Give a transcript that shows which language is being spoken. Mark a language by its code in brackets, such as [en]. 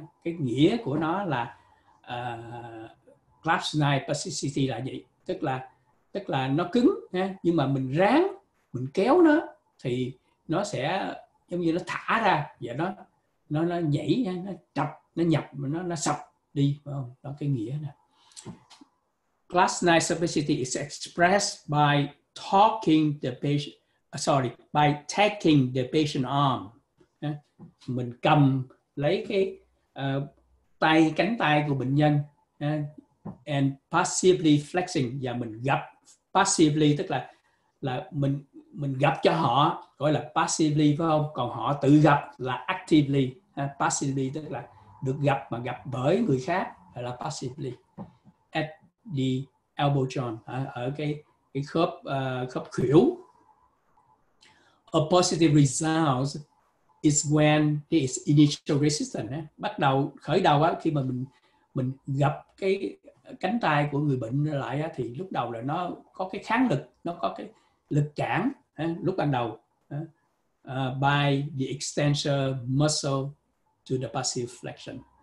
[vi] Cái nghĩa của nó là clasp knife plasticity là gì, tức là nó cứng, nhưng mà mình kéo nó thì nó sẽ giống như nó thả ra và nó nhảy, nó chập, nó nhập, nó sập đi, phải không? Đó cái nghĩa nè. [en] Clasp knife spasticity is expressed by talking the patient, by taking the patient arm. [vi] Mình cầm lấy cái tay, cánh tay của bệnh nhân, [en] and passively flexing, [vi] và mình gập passively, tức là mình gập cho họ, gọi là passively, phải không? Còn họ tự gập là actively, passively tức là được gập mà gập bởi người khác, gọi là passively. [en] At the elbow joint, [vi] ở cái khớp khớp khuỷu. [en] A positive result is when there is initial resistance. [vi] Bắt đầu khởi đầu á, khi mà mình gập cái cánh tay của người bệnh lại á, thì lúc đầu là nó có cái kháng lực, nó có cái lực cản lúc ban đầu. [en] By the extensor muscle to the passive flexion.